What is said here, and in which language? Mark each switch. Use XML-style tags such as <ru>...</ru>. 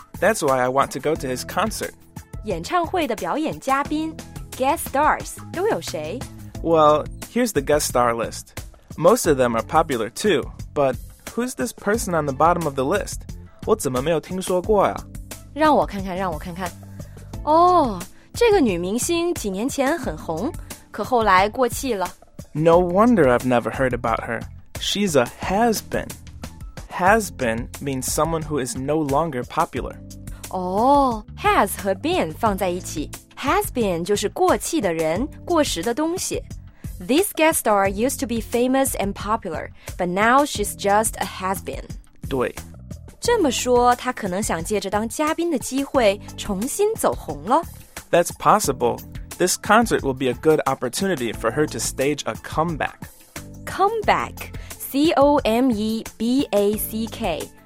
<en>That's why I want to go to his concert.</en> <zh>演唱会的表演嘉宾 ,guest stars, 都有谁？</zh> <en>Well, here's the guest star list. Most of them are popular too, but who's this person on the bottom of the list?</en> <zh>我怎么没有听说过啊？让我看看，让我看看。 Oh,这个女明星几年前很红，可后来过气了。</zh> <en>No wonder I've never heard about her. She's a has-been. Has-been means someone who is no longer popular.</en> <zh>Has 和 been 放在一起。Has-been 就是过气的人，过时的东西。</zh> <en>This guest star used to be famous and popular, but now she's just a has-been.</en> <zh>对。这么说，她可能想借着当嘉宾的机会重新走红了。</zh> <en>That's possible. This concert will be a good opportunity for her to stage a comeback. Comeback, C-O-M-E-B-A-C-K.</en>